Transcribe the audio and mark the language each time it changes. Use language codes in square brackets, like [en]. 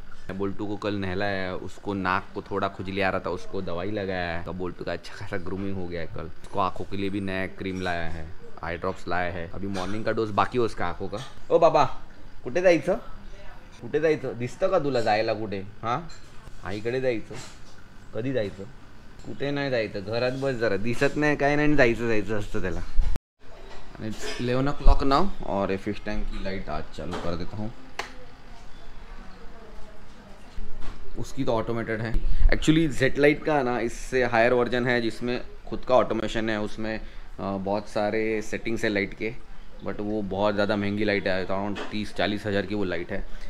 [hi] Bolt को कल नहलाया है, उसको नाक को थोड़ा खुजली आ रहा था उसको दवाई लगाया है, तो बोल्टू का अच्छा खासा ग्रूमिंग हो गया है कल। उसको आंखों के लिए भी नया क्रीम लाया है, आई ड्रॉप्स लाया है, अभी मॉर्निंग का डोज बाकी है उसका आंखों का। [mr] ओ बाबा कुठे जायचं, कुठे जायचं, दिसतं का तुला जायला कुठे? हां आईकडे जायचं, कधी जायचं, कुठे नाही जायचं, घरात बस जरा दिसत नाही काही नाही, जायचं जायचं असतं त्याला। [hi] आणि 11 o'clock नाव और फिश टँकची लाईट आज चालू कर देता हूँ, उसकी तो ऑटोमेटेड है एक्चुअली। जेट लाइट का ना इससे हायर वर्जन है जिसमें खुद का ऑटोमेशन है, उसमें बहुत सारे सेटिंग्स है लाइट के, बट वो बहुत ज़्यादा महंगी लाइट है, अराउंड 30-40 हज़ार की वो लाइट है।